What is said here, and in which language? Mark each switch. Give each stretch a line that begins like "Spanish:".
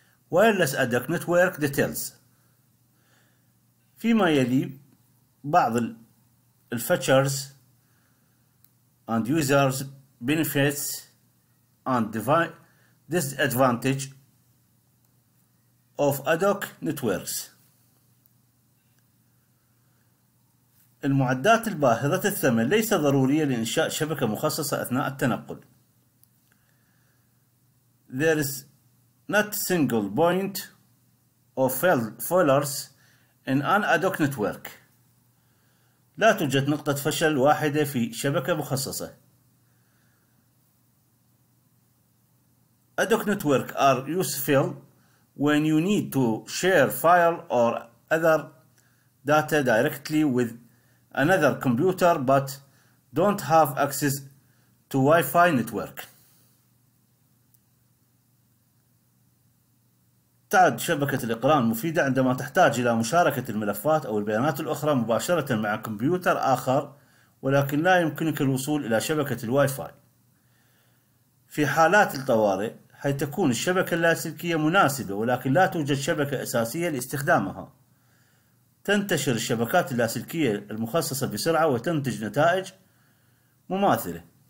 English: Wireless Ad hoc Network Details
Arabic: فيما يلي بعض الفيتشرز
English: and users benefits and disadvantage of ad hoc networks.
Arabic: المعدات الباهظة الثمن ليس ضرورية لإنشاء شبكة مخصصة أثناء التنقل.
English: There is not single point of failures in an ad hoc network.
Arabic: لا توجد نقطة فشل واحدة في شبكة مخصصة.
English: Ad hoc network are useful when you need to share file or other data directly with another computer but don't have access to Wi-Fi network.
Arabic: تعد شبكة الإقران مفيدة عندما تحتاج إلى مشاركة الملفات أو البيانات الأخرى مباشرة مع كمبيوتر آخر ولكن لا يمكنك الوصول إلى شبكة الواي-فاي. في حالات الطوارئ حيث تكون الشبكة اللاسلكية مناسبة ولكن لا توجد شبكة أساسية لاستخدامها تنتشر الشبكات اللاسلكية المخصصة بسرعة وتنتج نتائج مماثلة.